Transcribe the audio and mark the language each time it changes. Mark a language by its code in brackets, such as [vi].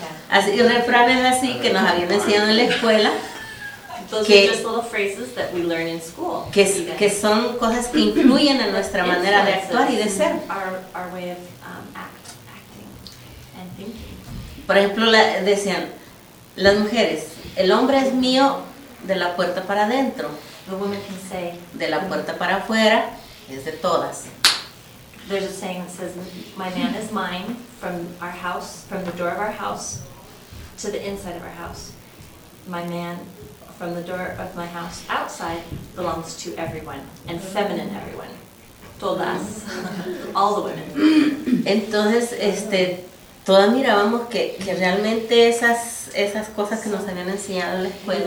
[es] Así, un refrán es así que nos habían enseñado en la escuela. Que son cosas que influyen en nuestra manera de actuar y de ser. [en] Our way of acting and thinking. [es] Por ejemplo, decían las mujeres, el hombre es mío de la puerta para adentro. [en] The woman can say, [es] de la puerta para afuera es de todas. [en] There's a saying that says, my man is mine from our house, from the door of our house to the inside of our house. My man from the door of my house outside belongs to everyone, and feminine everyone. [es] Todas. [en] All the women. [es] Entonces, todas mirábamos que realmente esas cosas que nos habían enseñado en la escuela,